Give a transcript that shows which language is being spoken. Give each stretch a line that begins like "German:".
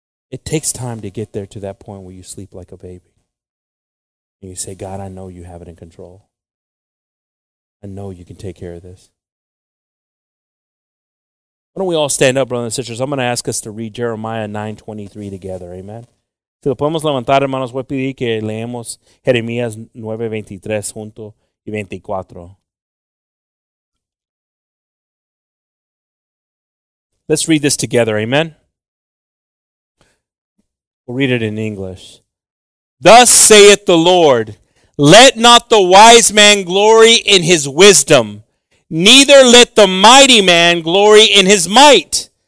English: It takes time to get there to that point where you sleep like a baby. And you say, God, I know you have it in control. I know you can take care of this. Why don't we all stand up, brothers and sisters? I'm going to ask us to read Jeremiah 9:23 together. Amen.
Spanish: Si lo podemos levantar, hermanos, voy a pedir que leamos Jeremías 9:23 junto y 24.
English: Let's read this together. Amen. We'll read it in English. Thus saith the Lord, let not the wise man glory in his wisdom, neither let the mighty man glory in his might.